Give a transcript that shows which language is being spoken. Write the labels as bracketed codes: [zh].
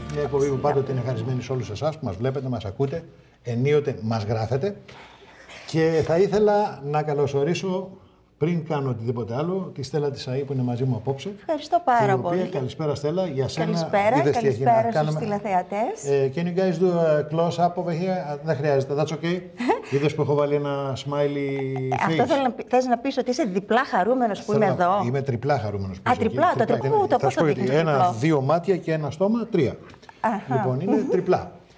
[el] Μια εκπομπή που πάντοτε είναι ευχαρισμένη σε όλους εσάς που μας βλέπετε, μας ακούτε, ενίοτε μας γράφετε. Και θα ήθελα να καλωσορίσω, πριν κάνω οτιδήποτε άλλο, τη Στέλλα της ΑΗ που είναι μαζί μου απόψε. Ευχαριστώ πάρα πολύ. Καλησπέρα Στέλλα, για σένα. Καλησπέρα, καλησπέρα στους τηλεθεατές. [en] Can you guys do a close-up over here? [el] Δεν χρειάζεται, [en] that's okay. [el] Είδες που έχω βάλει ένα smiley face. Αυτό θέλω να, θες να πεις ότι είσαι διπλά χαρούμενος που είμαι εδώ. Είμαι τριπλά χαρούμενος που είσαι. Α, τριπλά, το τριπλό, το πώς το δείχνεις. Ένα, δύο μάτια και ένα στόμα, τρία. Λοιπόν, είναι τριπλά.